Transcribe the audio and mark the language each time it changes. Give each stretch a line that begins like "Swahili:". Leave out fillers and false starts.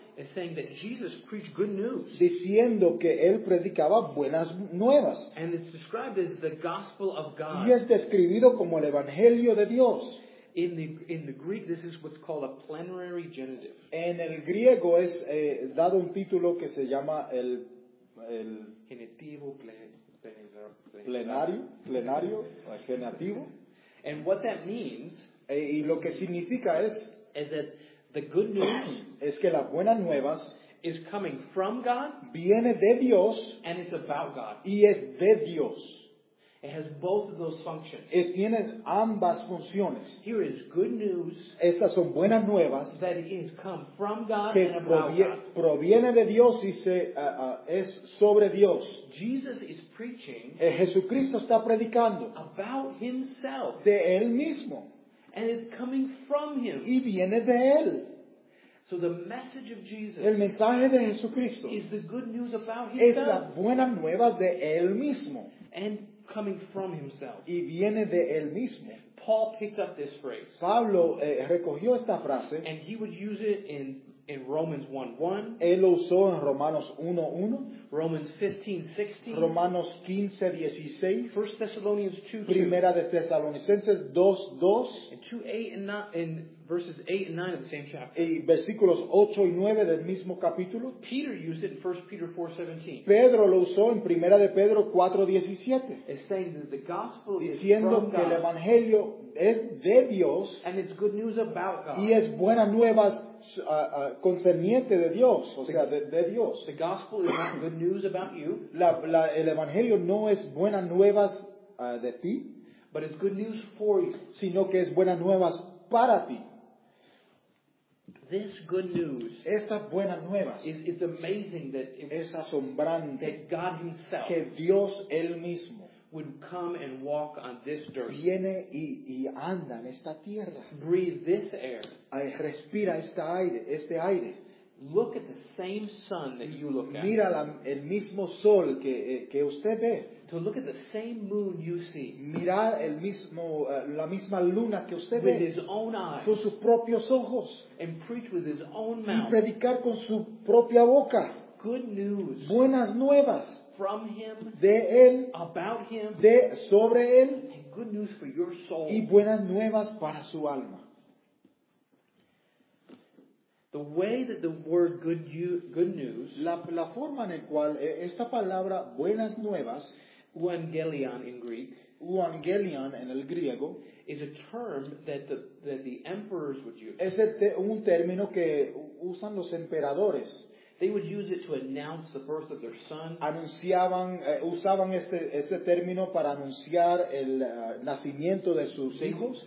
English: Is saying that Jesus preached good news.
Spanish: Diciendo que él predicaba buenas nuevas.
English: And it's described as the gospel of God.
Spanish: Y es describido como el evangelio de Dios.
English: In the Greek, this is what's called a plenary genitive.
Spanish: En el griego es dado un título que se llama el genitivo plenario, genitivo.
English: And what that means,
Spanish: y lo que significa es,
English: is that the good news
Spanish: es que las buenas nuevas
English: is coming from God,
Spanish: viene de Dios,
English: and it's about God,
Spanish: y es de Dios.
English: It has both of those functions.
Spanish: Y tiene ambas funciones.
English: Here is good news.
Spanish: Estas son buenas nuevas.
English: That is come from God
Spanish: que
English: and about God.
Spanish: Proviene de Dios y es sobre Dios.
English: Jesus is preaching.
Spanish: Jesucristo está predicando.
English: About himself.
Spanish: De él mismo.
English: And it's coming from him.
Spanish: Y viene de él.
English: So the message of Jesus,
Spanish: el mensaje de Jesucristo,
English: is the good news about
Spanish: es
English: himself.
Spanish: Es la buena nueva de él mismo.
English: And coming from himself.
Spanish: Y viene de él mismo.
English: Paul picked up this phrase.
Spanish: Pablo recogió esta frase.
English: And he would use it in in Romans 1:1.
Spanish: Él lo usó en Romanos 1:1.
English: Romans 15:16.
Spanish: Romanos 15:16.
English: 1 Thessalonians 2:2.
Spanish: Primera de Tesalonicenses 2:2.
English: And 2:8 and 9. Verses 8 and 9 of the same chapter.
Spanish: Y versículos 8 y 9 del mismo capítulo.
English: Peter used it in 1 Peter 4:17.
Spanish: Pedro lo usó en Primera de Pedro 4:17.
English: It's saying that the gospel is
Spanish: diciendo
English: from
Spanish: que
English: God,
Spanish: el evangelio es de Dios,
English: and it's good news about God.
Spanish: Y es buenas nuevas concerniente de Dios, o sea, de Dios.
English: The gospel is not good news about you.
Spanish: El evangelio no es buenas nuevas de ti,
English: but it's good news for you.
Spanish: Sino que es buenas nuevas para ti.
English: This good news,
Spanish: esta buena nueva,
English: it's amazing that
Spanish: es asombrante
English: that God himself,
Spanish: que Dios él mismo,
English: would come and walk on this dirt,
Spanish: viene y anda en esta tierra,
English: breathe this air,
Spanish: respira este aire.
English: Look at the same sun that you look at.
Spanish: Mira el mismo sol que usted ve.
English: To look at the same moon you see.
Spanish: Mirar el mismo la misma luna que usted
English: with
Spanish: ve.
English: With his own eyes.
Spanish: Con sus propios ojos.
English: And preach with his own mouth.
Spanish: Y predicar con su propia boca.
English: Good news.
Spanish: Buenas nuevas.
English: From him.
Spanish: De él.
English: About him.
Spanish: De sobre él.
English: And good news for your soul.
Spanish: Y buenas nuevas para su alma.
English: The way that the word good news,
Spanish: la forma en la cual esta palabra buenas nuevas,
English: euangelion in Greek,
Spanish: euangelion en el griego,
English: is a term that the emperors would use.
Spanish: Es un término que usan los emperadores.
English: They would use it to announce the birth of their son.
Spanish: Usaban este término para anunciar el nacimiento de sus hijos.